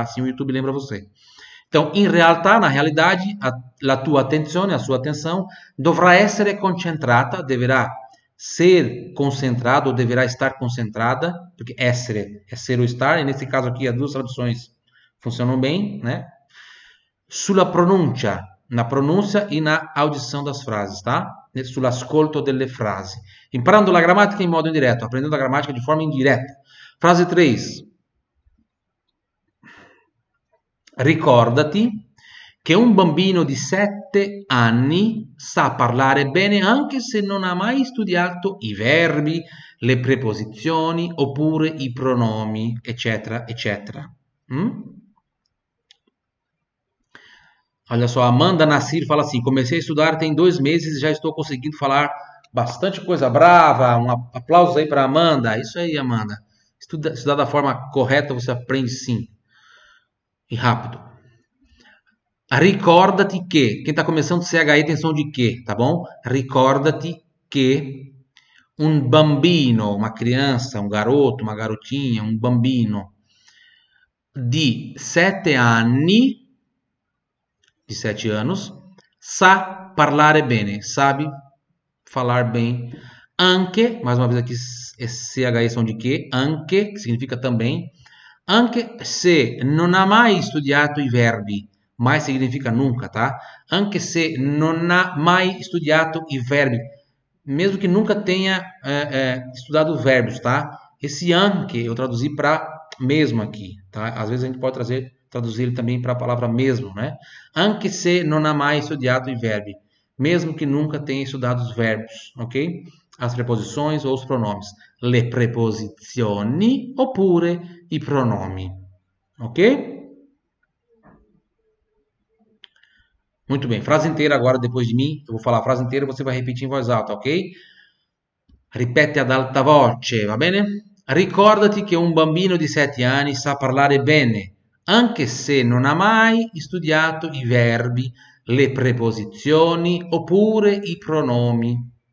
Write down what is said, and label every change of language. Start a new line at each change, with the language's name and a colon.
Portuguese: Assim o YouTube lembra você. Então,
Italian: in realtà,
Portuguese: na realidade,
Italian: la tua attenzione,
Portuguese: a sua atenção,
Italian: dovrà essere concentrata,
Portuguese: deverá ser concentrado ou deverá estar concentrada, porque essere é ser ou estar, e nesse caso aqui as duas traduções funcionam bem, né?
Italian: Sulla pronuncia,
Portuguese: na pronúncia e na audição das frases, tá?
Italian: Sull'ascolto delle frasi. Imparando la grammatica in modo indiretto,
Portuguese: aprendendo a gramática de forma indireta. Frase 3.
Italian: Ricordati che un bambino di 7 anni sa parlare bene anche se non ha mai studiato i verbi, le preposizioni oppure i pronomi, eccetera, eccetera.
Portuguese: Olha só, Amanda Nassir fala assim: comecei a estudar tem 2 meses e já estou conseguindo falar bastante coisa. Brava! Um aplauso aí para Amanda. Isso aí, Amanda. Estudar da forma correta, você aprende sim. E rápido.
Italian: Ricorda-te
Portuguese: que, quem está começando CHE tem som de que, tá bom?
Italian: Ricorda-te
Portuguese: que um bambino, uma criança, um garoto, uma garotinha, um bambino de 7 anos, de 7 anos,
Italian: sa parlare bene,
Portuguese: sabe falar bem, anche, mais uma vez aqui, CHE som de que, anche, que significa também,
Italian: anche se non ha mai studiato i verbi.
Portuguese: Mais significa nunca, tá?
Italian: Anche se non ha mai studiato i verbi.
Portuguese: Mesmo que nunca tenha estudado verbos, tá? Esse anche eu traduzi para mesmo aqui, tá? Às vezes a gente pode traduzir ele também para a palavra mesmo, né?
Italian: Anche se non ha mai studiato i verbi.
Portuguese: Mesmo que nunca tenha estudado os verbos, ok? As preposições ou os pronomes.
Italian: Le preposizioni oppure i pronomi, ok?
Portuguese: Muito bem, frase inteira agora depois de mim. Eu vou falar a frase inteira e você vai repetir em voz alta, ok?
Italian: Ripete ad alta voce, va bene? Ricordati che un bambino di 7 anni sa parlare bene, anche se non ha mai studiato i verbi, le preposizioni oppure i pronomi.